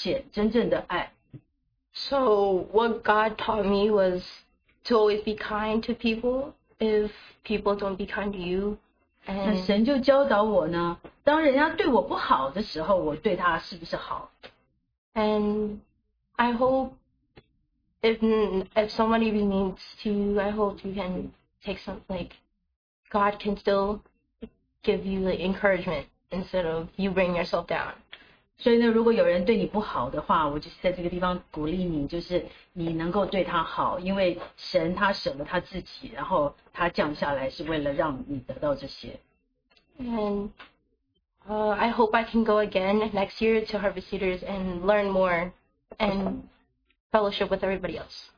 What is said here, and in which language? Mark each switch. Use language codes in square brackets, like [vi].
[zh] 就是呢，他这个舍己的爱呢，就是等于是向大家能够彰显真正的爱。 [en] So what God taught me was to always be kind to people if people don't be kind to you. [zh] 那神就教导我呢，当人家对我不好的时候，我对他是不是好？ [en] And I hope if somebody means to you, I hope you can take some, like, God can still give you the encouragement instead of you bring yourself down. [zh] 所以呢，如果有人对你不好的话，我就是在这个地方鼓励你，就是你能够对他好，因为神他舍了他自己，然后他降下来是为了让你得到这些。 [en] And I hope I can go again next year to Harvey Cedars and learn more and fellowship with everybody else.